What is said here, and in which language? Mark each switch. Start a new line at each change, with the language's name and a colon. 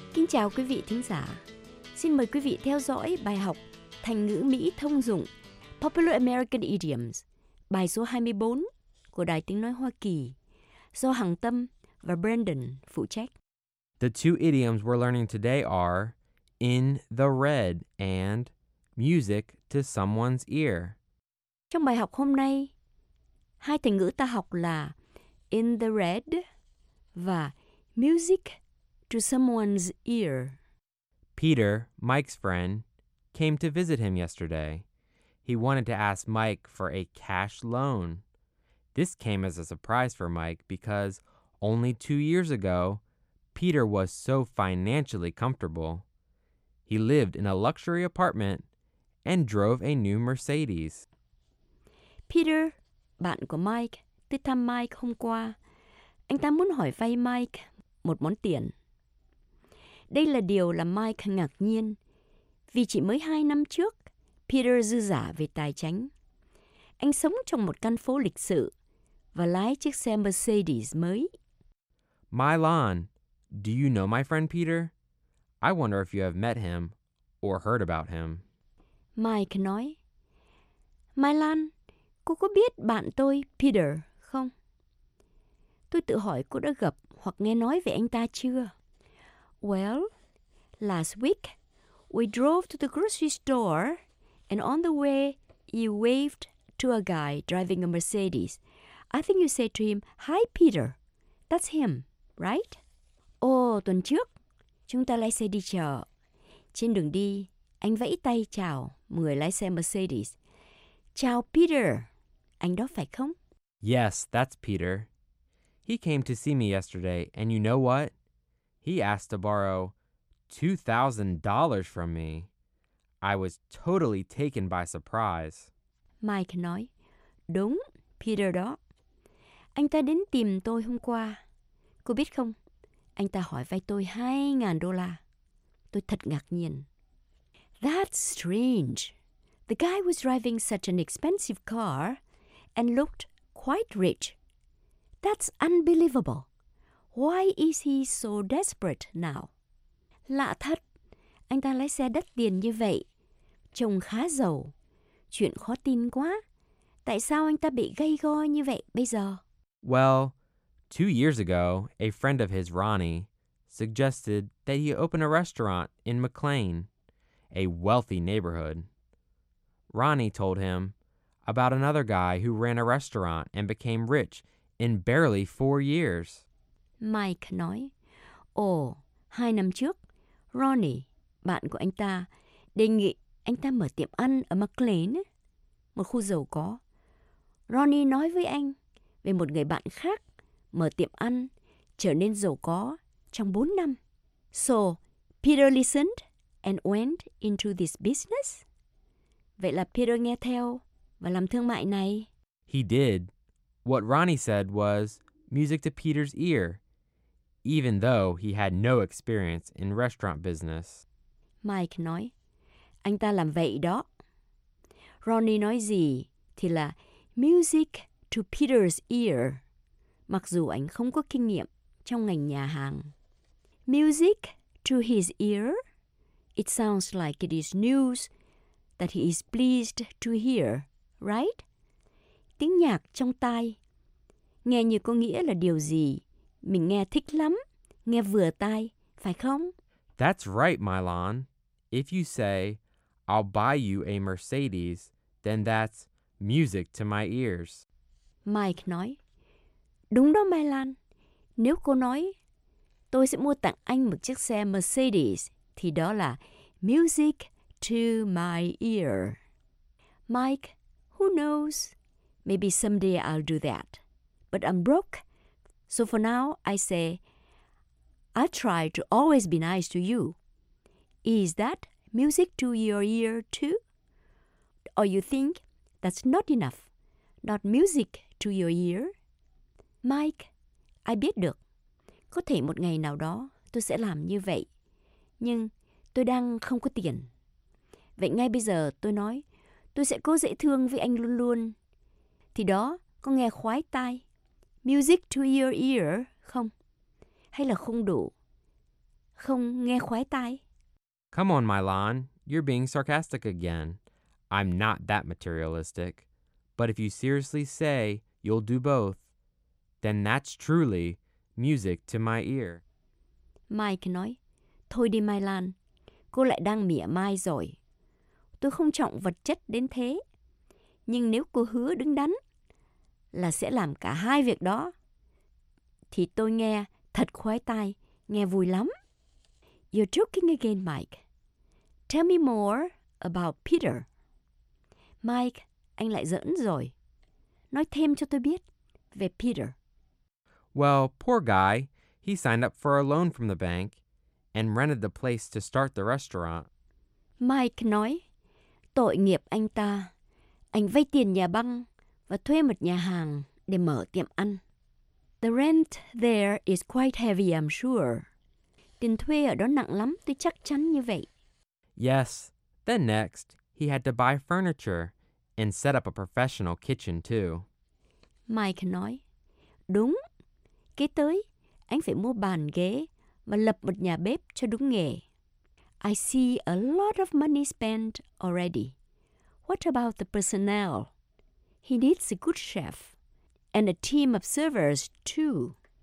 Vietnamese: chào quý vị thính giả. Xin mời quý vị theo dõi bài học Thành ngữ Mỹ thông dụng
English: Popular American Idioms,
Vietnamese: bài số 24 của Đài Tiếng Nói Hoa Kỳ, do Hằng Tâm và Brandon phụ trách.
English: The two idioms we're learning today are in the red and music to someone's ear.
Vietnamese: Trong bài học hôm nay, hai thành ngữ ta học là
English: in the red
Vietnamese: và
English: music to someone's ear. Peter, Mike's friend, came to visit him yesterday. He wanted to ask Mike for a cash loan. This came as a surprise for Mike because only 2 years ago, Peter was so financially comfortable. He lived in a luxury apartment and drove a new Mercedes.
Vietnamese: Peter, bạn của Mike, tới thăm Mike hôm qua. Anh ta muốn hỏi vay Mike một món tiền. Đây là điều làm Mike ngạc nhiên, vì chỉ mới 2 năm trước, Peter dư giả về tài chính. Anh sống trong một căn phố lịch sự và lái chiếc xe Mercedes mới.
English: Milan, do you know my friend Peter? I wonder if you have met him or heard about him.
Vietnamese: Mike nói, Milan, cô có biết bạn tôi, Peter, không? Tôi tự hỏi cô đã gặp hoặc nghe nói về anh ta chưa?
English: Well, last week, we drove to the grocery store, and on the way, you waved to a guy driving a Mercedes. I think you said to him, hi, Peter. That's him, right?
Vietnamese: Oh, tuần trước, chúng ta lái xe đi chợ. Trên đường đi, anh vẫy tay chào người lái xe Mercedes. Chào, Peter. Anh đó phải không?
English: Yes, that's Peter. He came to see me yesterday, and you know what? He asked to borrow $2,000 from me. I was totally taken by surprise.
Vietnamese: Mike nói, đúng, Peter đó. Anh ta đến tìm tôi hôm qua. Cô biết không, anh ta hỏi vay tôi $2,000. Tôi thật ngạc nhiên.
English: That's strange. The guy was driving such an expensive car and looked quite rich. That's unbelievable. Why is he so desperate now?
Vietnamese: Lạ thật, anh ta lái xe đắt tiền như vậy, trông khá giàu. Chuyện khó tin quá. Tại sao anh ta bị gay go như vậy bây giờ?
English: Well, 2 years ago, a friend of his, Ronnie, suggested that he open a restaurant in McLean, a wealthy neighborhood. Ronnie told him about another guy who ran a restaurant and became rich in barely 4 years.
Vietnamese: Mike nói, ồ, 2 năm trước, Ronnie, bạn của anh ta, đề nghị anh ta mở tiệm ăn ở McLean, một khu giàu có. Ronnie nói với anh về một người bạn khác mở tiệm ăn, trở nên giàu có trong 4 năm.
English: So, Peter listened and went into this business?
Vietnamese: Vậy là Peter nghe theo và làm thương mại này.
English: He did. What Ronnie said was music to Peter's ear, even though he had no experience in restaurant business.
Vietnamese: Mike nói, anh ta làm vậy đó. Ronnie nói gì thì là
English: music to Peter's ear,
Vietnamese: mặc dù anh không có kinh nghiệm trong ngành nhà hàng.
English: Music to his ear? It sounds like it is news that he is pleased to hear, right?
Vietnamese: Tiếng nhạc trong tai. Nghe như có nghĩa là điều gì mình nghe thích lắm, nghe vừa tai, phải không?
English: That's right, Milan. If you say, I'll buy you a Mercedes, then that's music to my ears.
Vietnamese: Mike nói, đúng đó, Milan. Nếu cô nói, tôi sẽ mua tặng anh một chiếc xe Mercedes, thì đó là
English: music to my ear. Mike, who knows? Maybe someday I'll do that. But I'm broke, so for now, I say, I try to always be nice to you. Is that music to your ear too? Or you think that's not enough, not music to your ear?
Vietnamese: Mike, I biết được. Có thể một ngày nào đó, tôi sẽ làm như vậy. Nhưng tôi đang không có tiền. Vậy ngay bây giờ, tôi nói, tôi sẽ cố dễ thương với anh luôn luôn. Thì đó, có nghe khoái tai.
English: Music to your ear,
Vietnamese: không? Hay là không đủ? không nghe khoái tai.
English: Come on, Milan. You're being sarcastic again. I'm not that materialistic. But if you seriously say you'll do both, then that's truly music to my ear.
Vietnamese: Mike nói, thôi đi Milan, cô lại đang mỉa mai rồi. Tôi không trọng vật chất đến thế. Nhưng nếu cô hứa đứng đắn là sẽ làm cả hai việc đó, thì tôi nghe thật khoái tai, nghe vui lắm.
English: You're joking again, Mike. Tell me more about Peter.
Vietnamese: Mike, anh lại giỡn rồi. Nói thêm cho tôi biết về Peter.
English: Well, poor guy. He signed up for a loan from the bank and rented the place to start the restaurant.
Vietnamese: Mike nói, tội nghiệp anh ta. Anh vay tiền nhà băng và thuê một nhà hàng để mở tiệm ăn.
English: The rent there is quite heavy, I'm sure.
Vietnamese: Tiền thuê ở đó nặng lắm, tôi chắc chắn như vậy.
English: Yes. Then next, he had to buy furniture and set up a professional kitchen too.
Vietnamese: Mike nói, đúng. Kế tới, anh phải mua bàn ghế và lập một nhà bếp cho đúng nghề.
English: I see a lot of money spent already. What about the personnel? He needs a good chef and a team of servers too.